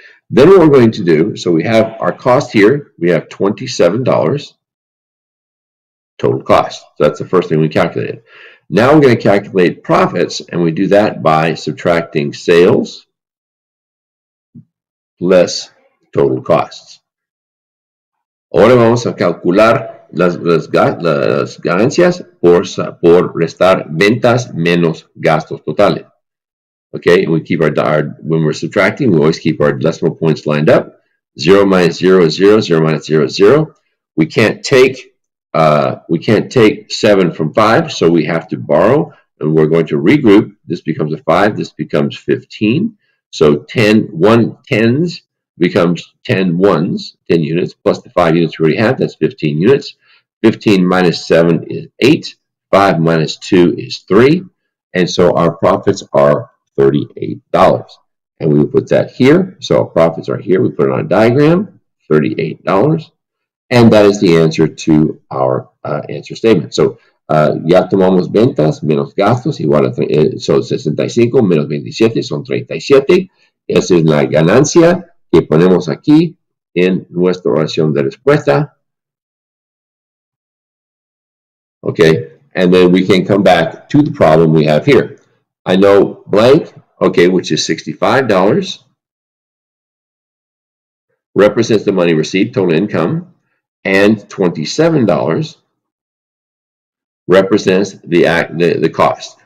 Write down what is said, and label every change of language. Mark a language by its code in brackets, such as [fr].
[en] Then what we're going to do, so we have our cost here. We have $27 total cost. So that's the first thing we calculated. Now we're going to calculate profits, and we do that by subtracting sales less total costs. [es] Ahora vamos a calcular las ganancias por restar ventas menos gastos totales. [en] Okay, and we keep our when we're subtracting, we always keep our decimal points lined up. 0 minus 0 is 0, 0 minus 0 is 0. We can't take 7 from 5, so we have to borrow, and we're going to regroup. This becomes a 5, this becomes 15. So 10s becomes 10 ones, 10 units, plus the 5 units we already have, that's 15 units. 15 minus 7 is 8, 5 minus 2 is 3, and so our profits are $38. And we will put that here, so our profits are here, we put it on a diagram, $38. And that is the answer to our answer statement. [es] So, ya tomamos ventas menos gastos, igual a so 65 menos 27 son 37. Esa es la ganancia que ponemos aquí en nuestra oración de respuesta. [en] Okay, and then we can come back to the problem we have here. I know blank, okay, which is $65, represents the money received, total income. And $27 represents the cost.